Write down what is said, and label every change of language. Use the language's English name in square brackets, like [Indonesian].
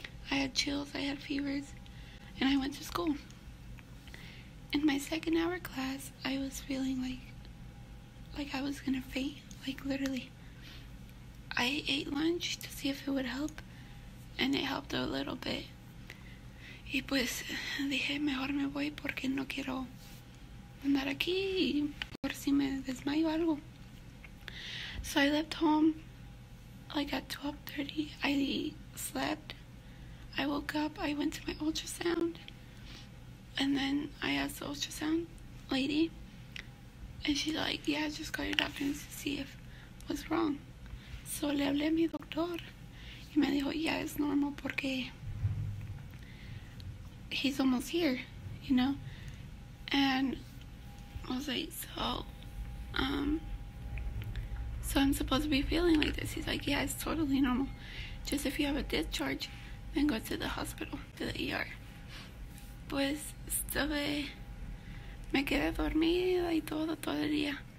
[English] I had chills, I had fevers, and I went to school. In my second hour class, I was feeling like I was gonna faint, like literally. I ate lunch to see if it would help, and it helped a little bit. [Spanish] Y pues, dije, mejor me voy porque no quiero andar aquí por si me desmayo algo. [English] So I left home, like at 12:30, I slept, I woke up, I went to my ultrasound, And then I asked the ultrasound lady, and she's like, yeah, just call your doctor and see if what's wrong. So [Spanish] le hablé a mi doctor, y me dijo, [English] yeah, it's normal [Spanish] porque [English] he's almost here, you know? And I was like, so I'm supposed to be feeling like this. He's like, yeah, it's totally normal. Just if you have a discharge, then go to the hospital, to the ER. [Spanish] Pues estuve, me quedé dormida y todo el día.